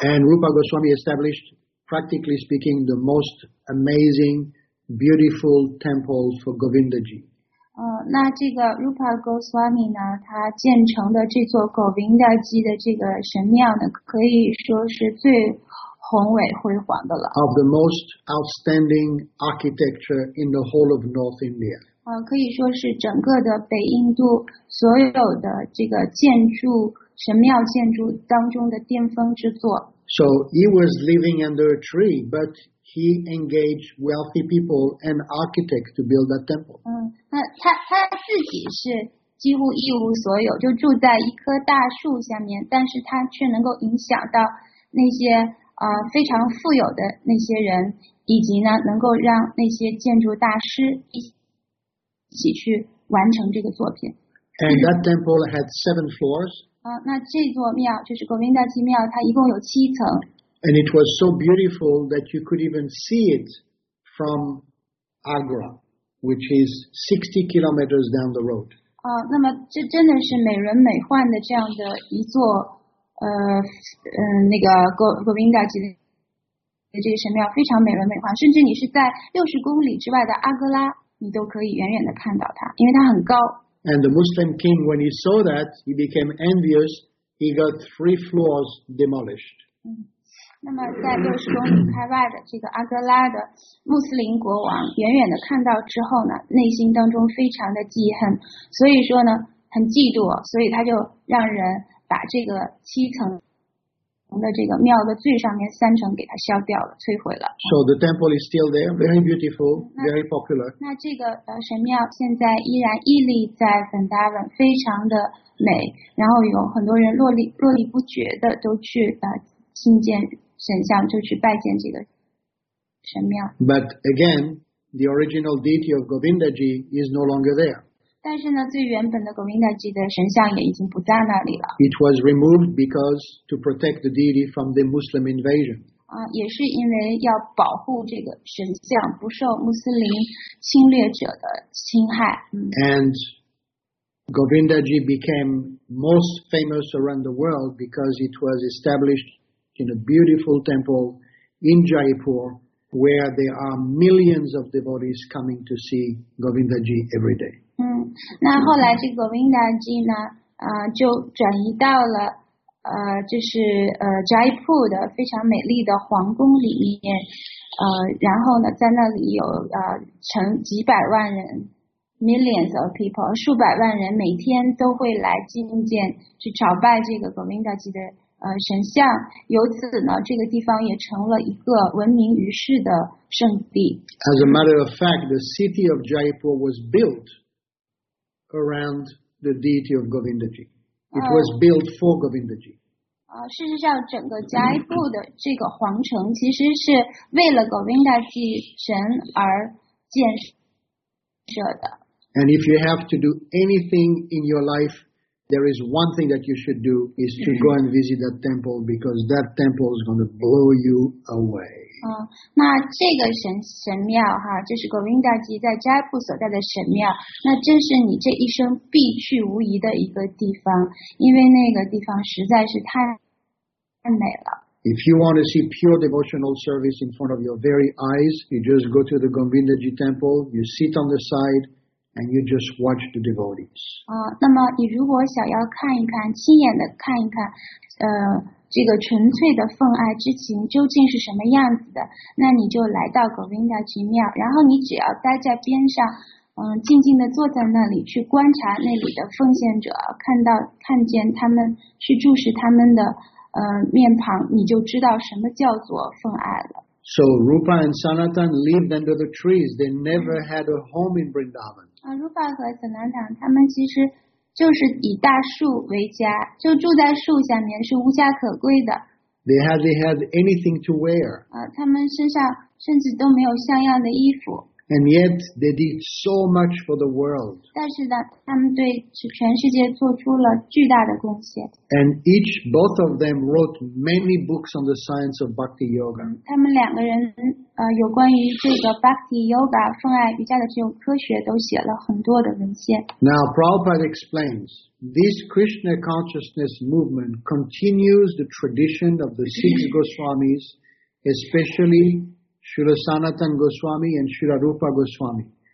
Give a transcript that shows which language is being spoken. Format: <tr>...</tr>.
<en>And Rupa Goswami established, practically speaking, the most amazing, beautiful temple for Govindaji.</en> <zh>那这个 Rupa Goswami 呢，他建成的这座 Govindaji 的这个神庙呢，可以说是最宏伟辉煌的了。</zh> <en>Of the most outstanding architecture in the whole of North India.</en> <zh>可以说是整个的北印度所有的这个建筑神庙建筑当中的巅峰之作。</zh> <en>So he was living under a tree, but he engaged wealthy people and architects to build that temple.</en> <zh>他自己是几乎一无所有，就住在一棵大树下面，但是他却能够影响到那些非常富有的那些人，以及呢，能够让那些建筑大师一起去完成这个作品。</zh> <en>And that temple had 7 floors.</en> <zh>那这座庙就是 Govindaji 庙，它一共有七层。</zh> <en>And it was so beautiful that you could even see it from Agra, which is 60 kilometers down the road.</en> <zh>那么这真的是美轮美奂的这样的一座。那个 Govindaji 的这个神庙非常美轮美奂，甚至你是在60公里之外的阿格拉，你都可以远远的看到它，因为它很高。</zh> <en>And the Muslim king, when he saw that, he became envious. He got 3 floors demolished.</en> <zh>那么在60公里开外的这个阿格拉的穆斯林国王远远的看到之后呢，内心当中非常的记恨，所以说呢，很嫉妒，所以他就让人。把这个七层的这个庙的最上面三层给它削掉了，摧毁了。</zh> <en>So the temple is still there, very beautiful, very popular.</en> <zh>那这个神庙现在依然屹立在本达文，非常的美，然后有很多人络绎不绝的都去觐见神像，就去拜见这个神庙。</zh> <en>But again, the original deity of Govindaji is no longer there.</en> <zh>但是呢，最原本的 Govindaji 的神像也已经不在那里了。</zh> <en>It was removed because to protect the deity from the Muslim invasion.</en> <zh>也是因为要保护这个神像不受穆斯林侵略者的侵害。</zh> <en>And Govindaji became most famous around the world because it was established in a beautiful temple in Jaipur, where there are millions of devotees coming to see Govindaji every day.</en> <zh>那后来这个 Govindaji 呢，就转移到了，就是Jaipur 的非常美丽的皇宫里面，然后呢，在那里有成几百万人</zh> <en>millions of people,</en> <zh>数百万人每天都会来觐见，去朝拜这个格明达基的神像。由此呢，这个地方也成了一个闻名于世的圣地。</zh> <en>As a matter of fact, the city of Jaipur was built around the deity of Govindaji. It was built for Govindaji.</en> <zh>事实上，整个 Jaipur 的这个皇城其实是为了 Govindaji 神而建设的。</zh> <en>And if you have to do anything in your life, there is one thing that you should do is to go and visit that temple because that temple is going to blow you away.</en> <zh>那这个神庙哈，就是 Govindaji 在斋布所在的神庙，那真是你这一生必去无疑的一个地方，因为那个地方实在是太美了。</zh> <en>If you want to see pure devotional service in front of your very eyes, you just go to the Govindaji temple, you sit on the side,And you just watch the devotees.</en> <zh>那么你如果想要看一看，亲眼的看一看，这个纯粹的奉爱之情究竟是什么样子的，那你就来到 Govindaji 庙，然后你只要待在边上，静静的坐在那里去观察那里的奉献者，看见他们，去注视他们的面庞，你就知道什么叫做奉爱了。</zh> <en>So Rupa and Sanatan lived under the trees. They never had a home in Vrindavan.</en> <zh>Rupa 和 Sanatan 他们其实就是以大树为家，就住在树下面，是无家可归的。</zh> <en>They hardly had anything to wear.</en> <zh>他们身上甚至都没有像样的衣服。</zh> <en>And yet they did so much for the world.</en> <zh>但是呢，他们对全世界做出了巨大的贡献。</zh> <en>And both of them wrote many books on the science of Bhakti Yoga.</en> <zh>他们两个人有关于这个 Bhakti Yoga 奉爱瑜伽的这种科学都写了很多的文献。</zh> <en>Now Prabhupada explains, this Krishna consciousness movement continues the tradition of the six Goswamis, especially Srila Sanatan Goswami and Srila Rupa Goswami.</en>